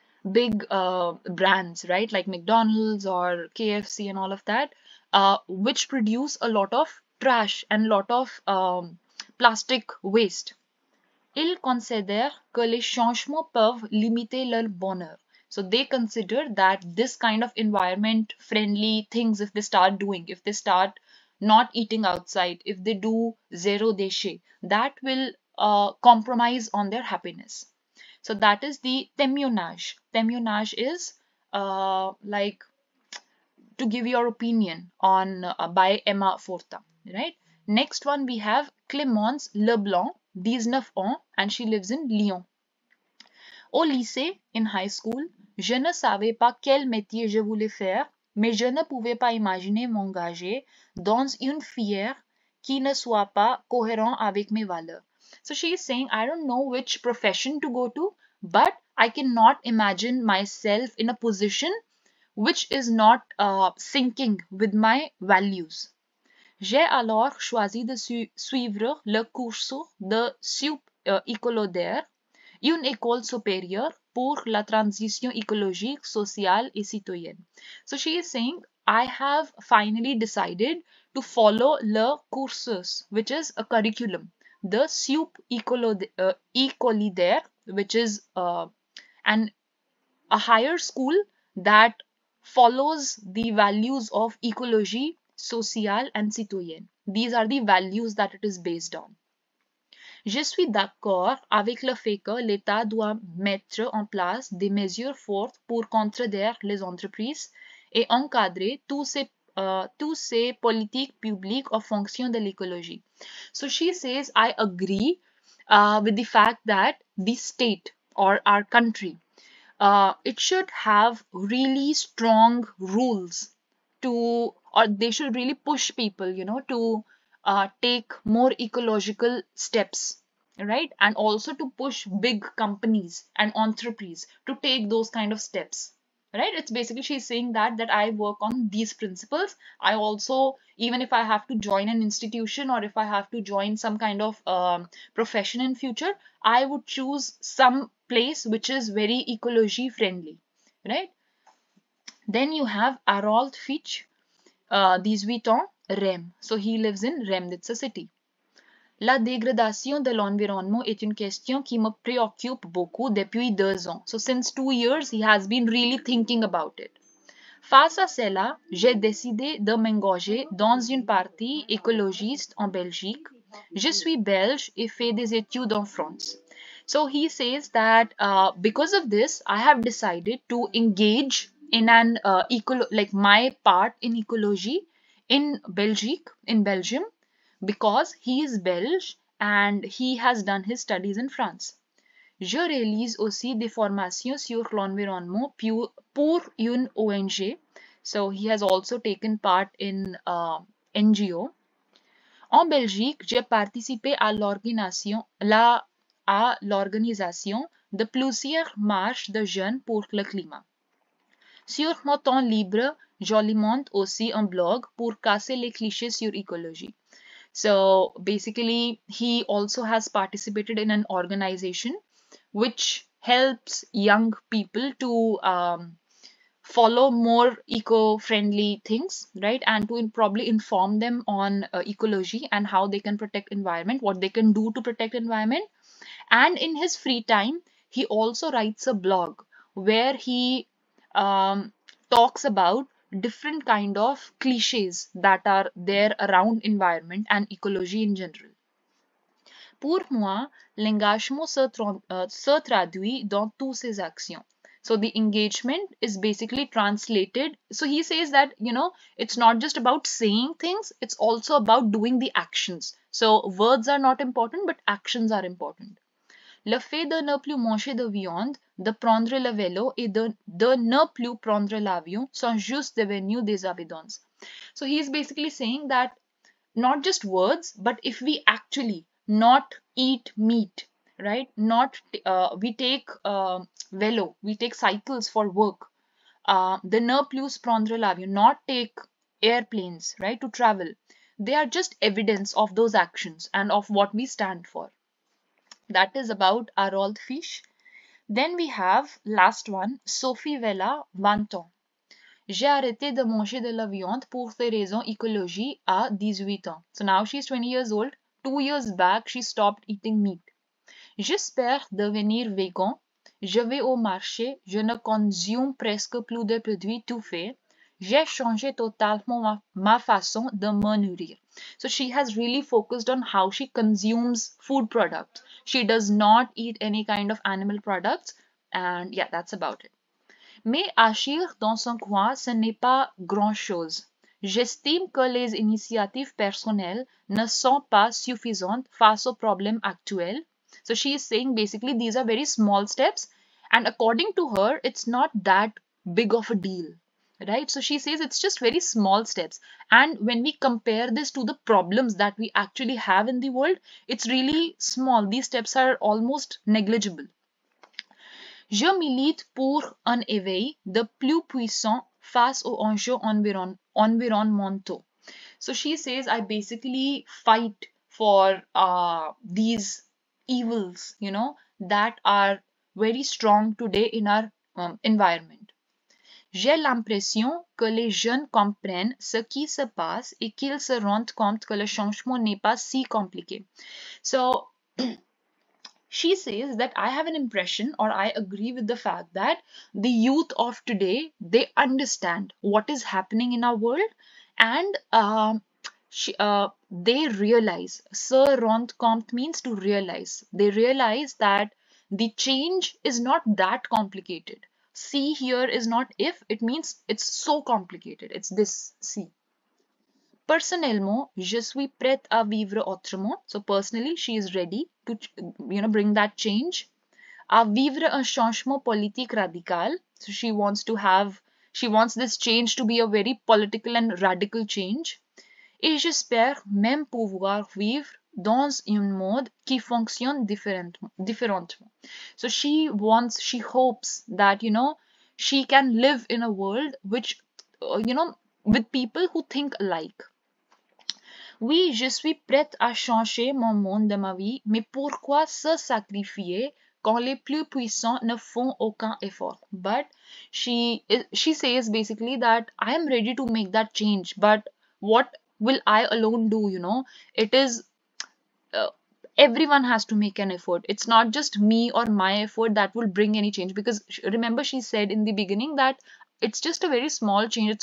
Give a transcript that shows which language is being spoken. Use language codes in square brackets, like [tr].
[en] big brands, right, like McDonald's or KFC and all of that, which produce a lot of trash and lot of plastic waste. [fr] Ils considèrent que les changements peuvent limiter leur bonheur. [en] So they consider that this kind of environment friendly things, if they start doing, if they start not eating outside, if they do zero déchet, that will compromise on their happiness. So that is the témoignage. Témoignage is like to give your opinion on by Emma Forta, right? Next one we have Clémence Leblanc, [fr] 19 ans, [en] and she lives in Lyon. [fr] Au lycée, [en] in high school, [fr] je ne savais pas quel métier je voulais faire, mais je ne pouvais pas imaginer m'engager dans une filière qui ne soit pas cohérent avec mes valeurs. [en] So she is saying, I don't know which profession to go to, but I cannot imagine myself in a position which is not syncing with my values. [fr] J'ai alors choisi de suivre le cours de SUP écolodaire, une école supérieure pour la transition écologique, sociale et citoyenne. [en] So she is saying, I have finally decided to follow [fr] le cursus, [en] which is a curriculum. The SUP écolodaire, which is a higher school that follows the values of ecology, social and citoyen. These are the values that it is based on. [fr] Je suis d'accord avec le fait que l'État doit mettre en place des mesures fortes pour contredire les entreprises et encadrer tous ces politiques publiques en fonction de l'écologie. [en] So she says, I agree with the fact that the state or our country, it should have really strong rules to, or they should really push people, you know, to take more ecological steps, right? And also to push big companies and entrepreneurs to take those kind of steps. Right, it's basically she's saying that I work on these principles. I also, even if I have to join an institution or if I have to join some kind of profession in future, I would choose some place which is very ecology friendly. Right, then you have Harold Fitch, [fr] 18 ans, [en] Rennes. So he lives in Rennes, it's a city. [fr] La dégradation de l'environnement est une question qui me préoccupe beaucoup depuis 2 ans. [en] So since 2 years, he has been really thinking about it. [fr] Face à cela, j'ai décidé de m'engager dans une partie écologiste en Belgique. Je suis belge et fais des études en France. [en] So he says that because of this, I have decided to engage in an my part in ecology in Belgique, in Belgium. Because he is Belge and he has done his studies in France. [fr] Je réalise aussi des formations sur l'environnement pour une ONG. [en] So he has also taken part in NGO. [fr] En Belgique, j'ai participé à l'organisation de plusieurs marches de jeunes pour le climat. Sur mon temps libre, j'alimente aussi un blog pour casser les clichés sur écologie. [en] So basically, he also has participated in an organization which helps young people to follow more eco-friendly things, right? And to probably inform them on ecology and how they can protect environment, what they can do to protect environment. And in his free time, he also writes a blog where he talks about different kind of clichés that are there around environment and ecology in general. [fr] Pour moi, l'engagement se traduit dans toutes ses actions. [en] So the engagement is basically translated. So he says that, you know, it's not just about saying things, it's also about doing the actions. So words are not important, but actions are important. [fr] Le fait de ne plus manger de viande, de prendre le vélo et de ne plus prendre l'avion sont juste devenus des habitudes. [en] So he is basically saying that not just words, but if we actually not eat meat, right? We take cycles for work. [fr] De ne plus prendre l'avion, [en] not take airplanes, right, to travel. They are just evidence of those actions and of what we stand for. That is about Harold Fisch. Then we have last one, Sophie Vella, [fr] 20 ans. J'ai arrêté de manger de la viande pour des raisons écologiques à 18 ans. [en] So now she's 20 years old. 2 years back, she stopped eating meat. [fr] J'espère devenir vegan. Je vais au marché. Je ne consomme presque plus de produits tout faits. J'ai changé totalement ma façon de me nourrir. [en] So she has really focused on how she consumes food products. She does not eat any kind of animal products. And yeah, that's about it. [fr] Mais agir dans son coin, ce n'est pas grand-chose. J'estime que les initiatives personnelles ne sont pas suffisantes face aux problèmes actuels. [en] So she is saying basically these are very small steps. And according to her, it's not that big of a deal. Right? So she says it's just very small steps. And when we compare this to the problems that we actually have in the world, it's really small. These steps are almost negligible. [fr] Je milite pour un éveil de plus puissant face aux enjeux environnementaux. [en] So she says, I basically fight for these evils, you know, that are very strong today in our environment. [fr] J'ai l'impression que les jeunes comprennent ce qui se passe et qu'ils se rendent compte que le changement n'est pas si compliqué. [en] So, she says that I have an impression or I agree with the fact that the youth of today, they understand what is happening in our world and they realize. [fr] Se rendent compte [en] means to realize. They realize that the change is not that complicated. See here is not if, it means it's so complicated. It's this see. [fr] Personnellement, je suis prête à vivre autrement. [en] So personally, she is ready to, you know, bring that change. [fr] À vivre un changement politique radical. [en] So she wants to have, she wants this change to be a very political and radical change. [fr] Et j'espère même pouvoir vivre dans un mode qui fonctionne différemment. [en] So she wants, she hopes that, you know, she can live in a world which, you know, with people who think alike. [fr] Oui, je suis prête à changer mon monde de ma vie, mais pourquoi se sacrifier quand les plus puissants ne font aucun effort? [en] But she says basically that I am ready to make that change, but what will I alone do, you know? It is, everyone has to make an effort. It's not just me or my effort that will bring any change. Because remember she said in the beginning that it's just a very small change.